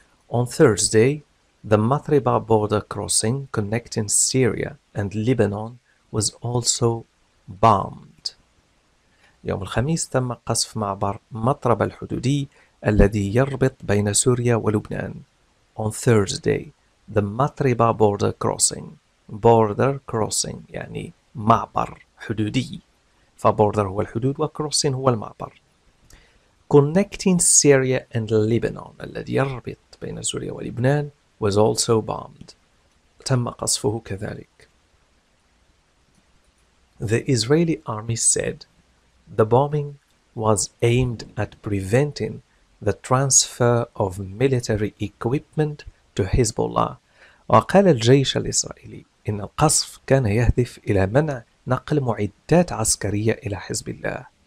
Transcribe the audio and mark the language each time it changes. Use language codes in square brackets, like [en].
[en] On Thursday, the Mathriba border crossing connecting Syria and Lebanon was also bombed. [ar] يوم الخميس تم قصف معبر مطرب الحدودي الذي يربط بين سوريا ولبنان. [en] On Thursday, the Matriba border crossing. [ar] Border crossing يعني معبر حدودي. فبوردر هو الحدود وكروسين هو المعبر. [en] Connecting Syria and Lebanon [ar] الذي يربط بين سوريا ولبنان [en] was also bombed. [ar] تم قصفه كذلك. [en] The Israeli army said the bombing was aimed at preventing the transfer of military equipment to Hezbollah. [ar] وقال الجيش الإسرائيلي إن القصف كان يهدف إلى منع نقل معدات عسكرية إلى حزب الله.